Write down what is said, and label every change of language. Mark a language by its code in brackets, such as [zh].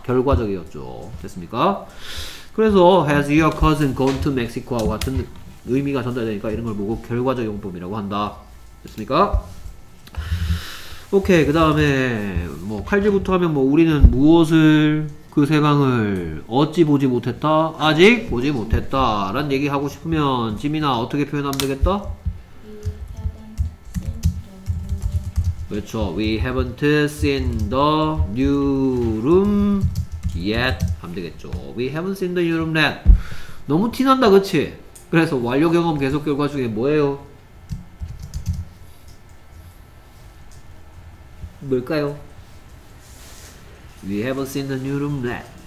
[ko] 결과적이었죠. 됐습니까? 그래서 [en] has your cousin gone to Mexico [ko] 하고 같은 의미가 전달되니까 이런 걸 보고 결과적 용법이라고 한다. 됐습니까? 오케이. 그 다음에 뭐 칼질부터 하면 뭐 우리는 무엇을 그 세상을 어찌 보지 못했다? 아직 보지 못했다 라는 얘기 하고 싶으면 지민아 어떻게 표현하면 되겠다? [en] We haven't seen the new room. [ko] 그렇죠. [en] We haven't seen the new room yet [ko] 하면 되겠죠. [en] We haven't seen the new room yet. [ko] 너무 티난다 그치? 그래서 완료 경험 계속 결과 중에 뭐예요? 뭘까요? [en] We haven't seen the new room yet.